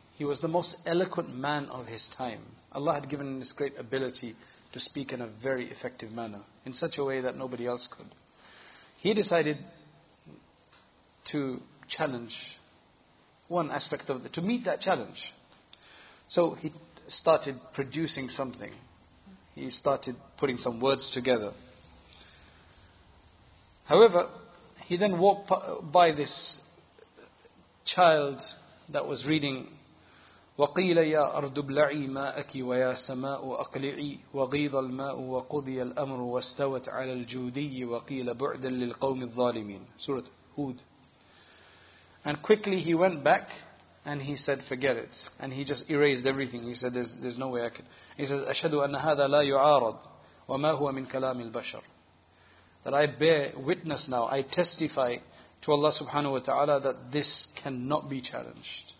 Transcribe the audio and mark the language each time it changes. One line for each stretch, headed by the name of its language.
English: He was the most eloquent man of his time. Allah had given him this great ability to speak in a very effective manner, in such a way that nobody else could. He decided to challenge one aspect of to meet that challenge. So he started producing something. He started putting some words together. However, he then walked by this child that was reading,
Arabic: وَقِيلَ يَا أَرْضُ بْلَعِي مَاءَكِ وَيَا سَمَاءُ أَقْلِعِي وَغِيضَ الْمَاءُ وَقُضِيَ الْأَمْرُ وَاسْتَوَتْ عَلَى الْجُودِيِّ وَقِيلَ بُعْدًا لِلْقَوْمِ الظَّالِمِينَ Surah Hud.
English: And quickly he went back and he said, forget it. And he just erased everything. He said, there's no way I can. He says,
Arabic: أَشْهَدُ أَنَّ هَذَا لَا يُعَارَضْ وَمَا هُوَ مِنْ كَلَامِ الْبَشَرِ
English: That I bear witness now, I testify to Allah subhanahu wa ta'ala that this cannot be challenged.